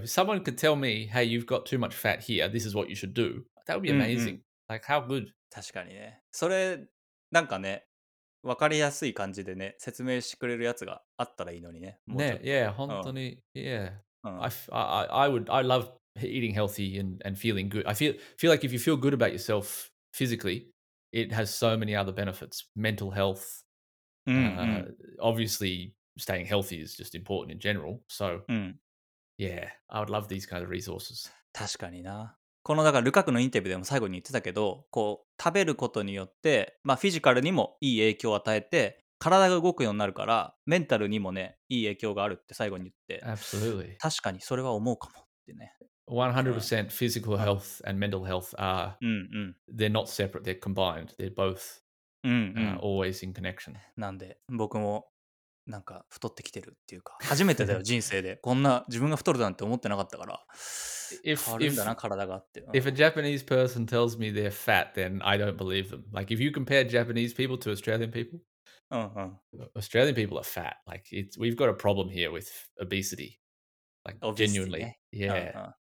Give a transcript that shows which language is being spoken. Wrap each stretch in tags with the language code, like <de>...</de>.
<en>If someone could tell me, hey, you've got too much fat here, this is what you should do, that would be amazing. Like how good.</en> <ja>確かにね、それなんかね、分かりやすい感じでね説明してくれるやつがあったらいいのにね。</ja> <en>ね、yeah,</en> <ja>本当に、</ja> <en>I loveeating healthy and feeling good. I feel like if you feel good about yourself physically, it has so many other benefits. Mental health, obviously staying healthy is just important in general. So, yeah, I would love these kind of resources.</en> <ja>確かにな。このだからルカクのインタビューでも最後に言ってたけど、こう食べることによって、まあフィジカルにもいい影響を与えて、体が動くようになるから、メンタルにもね、いい影響があるって最後に言って。</ja> <en>Absolutely.</en> <ja>確かにそれは思うかもってね。</ja> <en>100% physical health and mental health are, they're not separate, they're combined. They're both always in connection.</en> <ja>なんで僕もなんか太ってきてるっていうか、初めてだよ人生でこんな自分が太るなんて思ってなかったから。</ja> <en>If a Japanese person tells me they're fat, then I don't believe them. Like if you compare Japanese people to Australian people, Australian people are fat. Like it's, we've got a problem here with obesity. Like obesity, genuinely. Yeah. Uh-huh.</en>